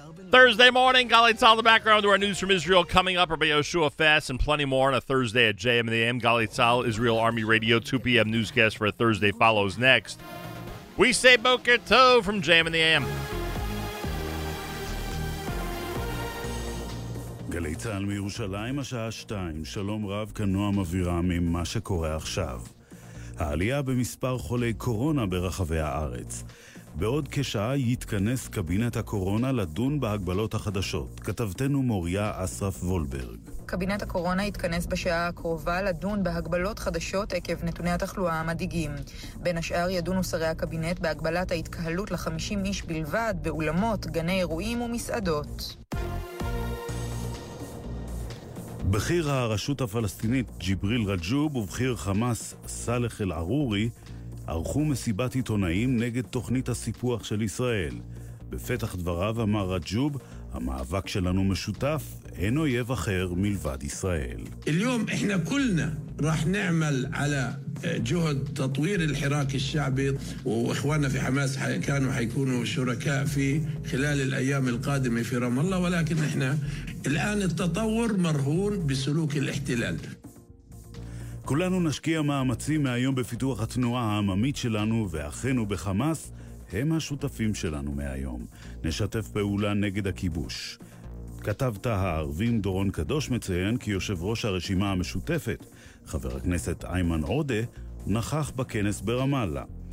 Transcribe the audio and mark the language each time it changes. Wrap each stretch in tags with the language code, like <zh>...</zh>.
<en>Thursday morning, Galitza in the background to our news from Israel coming up. Rabbi Yehoshua Fass and plenty more on a Thursday at JM and the AM. Galitza, Israel Army Radio, 2 p.m. newscast for a Thursday follows next. We say Boker Tov from JM and the AM.</en> <he>גלי צהל מירושלים, השעה 2, שלום רב, כנועם אווירה ממה שקורה עכשיו. העלייה במספר חולי קורונה ברחבי הארץ. בעוד כשעה יתכנס קבינט הקורונה לדון בהגבלות החדשות. כתבתנו מוריה אסרף וולברג. קבינט הקורונה יתכנס בשעה הקרובה לדון בהגבלות חדשות עקב נתוני התחלואה המדאיגים. בין השאר ידונו שרי הקבינט בהגבלת ההתקהלות ל-50 איש בלבד באולמות, גני אירועים ומסעדות. בכיר הרשות הפלסטינית ג'יבריל רג'וב ובכיר חמאס סלח אל-ערורי ערכו מסיבת עיתונאים נגד תוכנית הסיפוח של ישראל. בפתח דבריו אמר רג'וב, המאבק שלנו משותף, אין אויב אחר מלבד ישראל.</he> <ar>اليوم احنا كلنا راح نعمل على جهد تطوير الحراك الشعبي واخواننا في حماس كانوا حيكونوا شركاء في خلال الايام القادمه في رام الله ولكن احنا الان التطور مرهون بسلوك الاحتلال.</ar> <he>כולנו נשקיע מאמצים מהיום בפיתוח התנועה העממית שלנו ואחינו בחמאס הם השותפים שלנו מהיום. נשתף פעולה נגד הכיבוש. כתבת הערבים דורון קדוש מציין כי יושב ראש הרשימה המשותפת, חבר הכנסת איימן עודה, נכח בכנס ברמאללה.</he>